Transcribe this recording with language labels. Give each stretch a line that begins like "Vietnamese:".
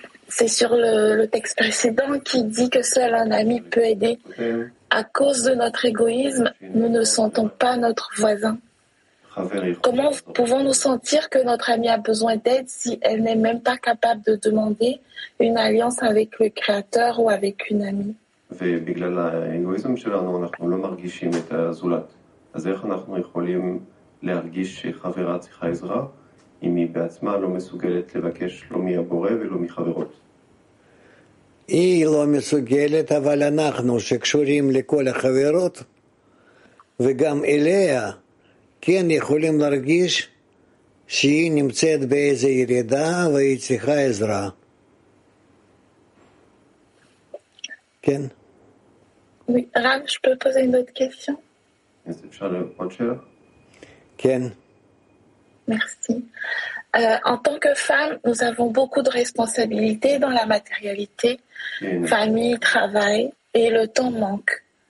French: C'est sur le texte précédent qui dit que seul un ami peut aider. À cause de notre égoïsme, nous ne sentons pas notre voisin. Comment pouvons-nous sentir que notre ami a besoin d'aide si elle n'est même pas capable de demander une alliance avec le Créateur ou avec une amie?
Hebrew: ובגלל האגואיזם שלנו אנחנו לא מרגישים את הזולת. אז איך אנחנו יכולים להרגיש שחברה צריכה עזרה, אם היא בעצמה לא מסוגלת לבקש לא מהבורא ולא מחברות? היא לא מסוגלת, אבל אנחנו שקשורים לכל החברות, וגם אליה, כן יכולים להרגיש שהיא נמצאת באיזה ירידה והיא צריכה עזרה. כן.
French: En tant que femme, nous avons beaucoup de responsabilités dans la matérialité, famille, travail, et le temps manque.